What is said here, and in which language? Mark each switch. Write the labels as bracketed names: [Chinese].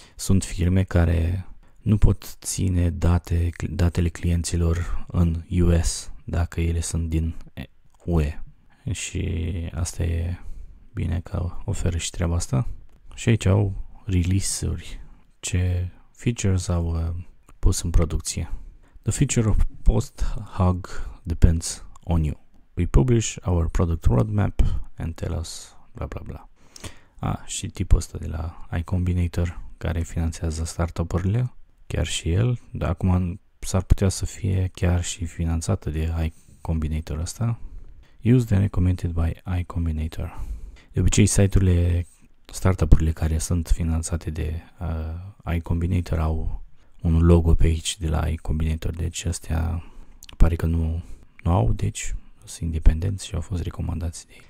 [Romanian] Sunt firme care nu pot ține datele clienților în US dacă ele sunt din UE. Și asta e bine că oferă și treaba asta. Și aici au release-uri. Ce features au pus în producție. [English] The future of PostHog depends on you. We publish our product roadmap and tell us bla bla bla. [Romanian] Și tipul ăsta de la iCombinator care finanțează startup-urile. Chiar și el, dar acum s-ar putea să fie chiar și finanțată de iCombinator ăsta. [English] Used and recommended by [Romanian] iCombinator. De obicei, site-urile, startup-urile care sunt finanțate de iCombinator au un logo pe aici de la iCombinator, deci astea pare că nu au, deci sunt independenți și au fost recomandați de ei.